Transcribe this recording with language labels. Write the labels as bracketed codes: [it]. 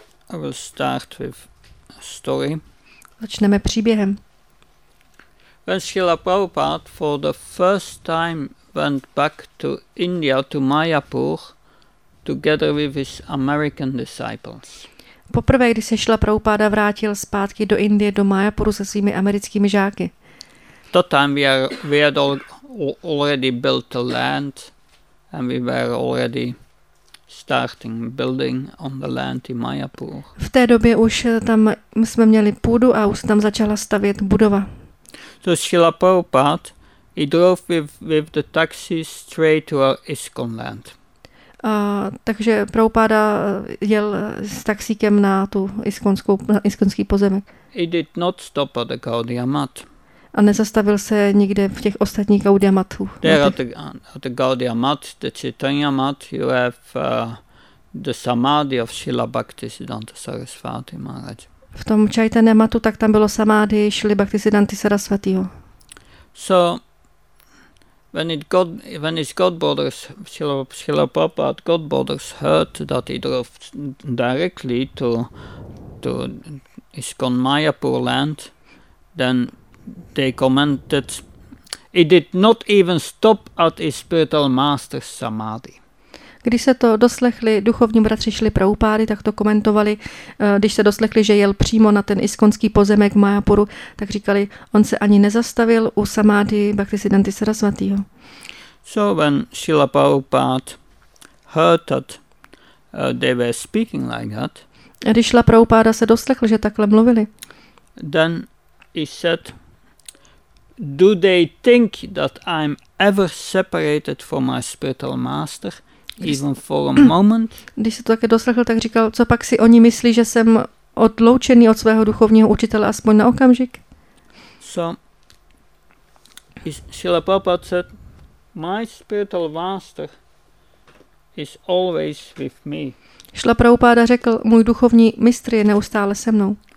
[en] I will start with a story. [cs] Začneme příběhem. [en] When Srila Prabhupada for the first time went back to India, to Mayapur, together with his American disciples. [cs] Poprvé, když se Srila Prabhupada vrátil zpátky do Indie, do Mayapuru se svými americkými žáky. [en] That time we had already built the land and we were already starting building on the land in Mayapur. [cs] V té době už tam jsme měli půdu a už tam začala stavět budova. [en] So Srila Prabhupada, he drove with the taxi straight to ISKCON land. [cs] Takže Prabhupada jel s taxíkem na tu iskonský pozemek. [en] He did not stop at the Gaudiya Math. [cs] A nezastavil se nikde v těch ostatních Gaudiya Mathů. [en] There at the Gaudiya Math, the Chaitanya Math, you have the Samadhi of Srila Bhaktisiddhanta Sarasvati Maharaj. [cs] V tom Chaitanya Mathu, tak tam bylo Samadhi Srila Bhaktisiddhanta Sarasvatiho. [en] So, when his godbrothers, Srila Prabhupada godbrothers heard that he drove directly to ISKCON Mayapur land, then they commented, he did not even stop at his spiritual master's samadhi. [cs] Když se to doslechli duchovní bratři Šli Prabhupády, tak to komentovali, když se doslechli, že jel přímo na ten iskonský pozemek v Mayapuru, tak říkali, on se ani nezastavil u samadhi Bhaktisiddhanty Sarasvatýho. [en] So when Srila Prabhupada heard that they were speaking like that, [cs] a když Srila Prabhupáda se doslechl, že takhle mluvili, [en] then he said, do they think that I'm ever separated from my spiritual master, even for a moment? [cs] Když se to také doslechl, tak říkal, co pak si oni myslí, že jsem odloučený od svého duchovního učitele aspoň na okamžik? [en] So, Srila Prabhupada said, my spiritual master is always with me. [cs] Srila Prabhupada řekl, můj duchovní mistr je neustále se mnou.